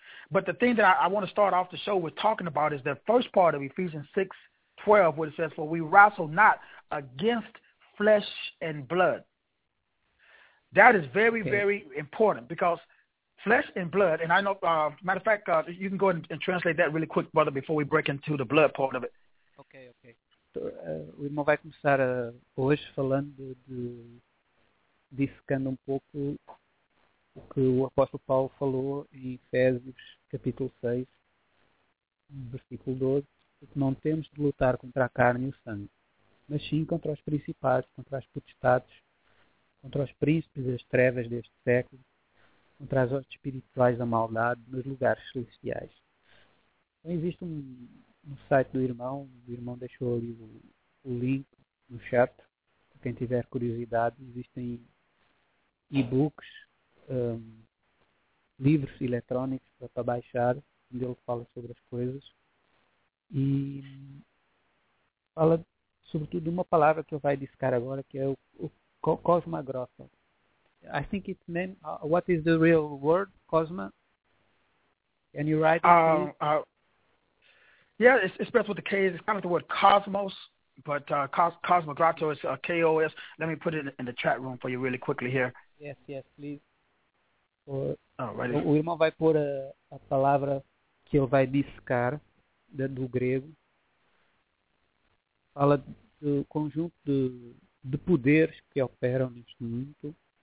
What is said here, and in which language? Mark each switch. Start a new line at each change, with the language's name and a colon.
English: But the thing that I want to start off the show with talking about is the first part of Ephesians 6, 12, where it says, for we wrestle not against flesh and blood. That is very, very important, because flesh and blood, and I know, matter of fact, you can go ahead and translate that really quick, brother, before we break into the blood part of it. Okay, okay.
Portuguese: So, o irmão vai começar hoje falando de dissecando um pouco o que o apóstolo Paulo falou em Efésios, capítulo 6, versículo 12. Porque não temos de lutar contra a carne e o sangue, mas sim contra os principados, contra as potestades, contra os príncipes das trevas deste século, contra as hostes espirituais da maldade nos lugares celestiais. Então, existe um site do irmão, o irmão deixou ali o link no chat, para quem tiver curiosidade, existem e-books, livros eletrônicos para baixar, onde ele fala sobre as coisas, e fala sobretudo de uma palavra que eu vou discar agora, que é o Cosma Grossa.
English: I think it's named, what is the real word, Cosma? Can you write it? Yeah, it's spelled with a K. It's kind of the word cosmos, but Cosma Grotto is K-O-S. Let me put it in the chat room for you really quickly here. Yes, yes, please.
Portuguese: O irmão vai pôr a palavra que ele vai discar do grego. Fala do conjunto de poderes que operam neste mundo.